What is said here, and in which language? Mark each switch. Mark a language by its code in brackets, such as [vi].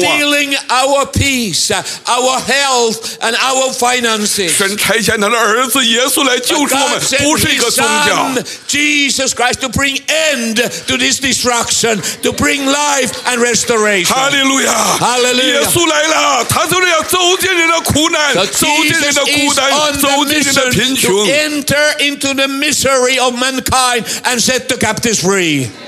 [en] So he's stealing our peace, our health, and our finances. [zh] 神差遣他的儿子耶稣来救赎我们。 [en] Son, Jesus Christ, to bring end to this destruction, to bring life and restoration. Hallelujah. Hallelujah. [zh] 耶稣来了，他就是要走进人的苦难，走进人的孤单，走进人的贫穷。 [en] So Jesus is on the mission to enter into the misery of mankind and set the captives free.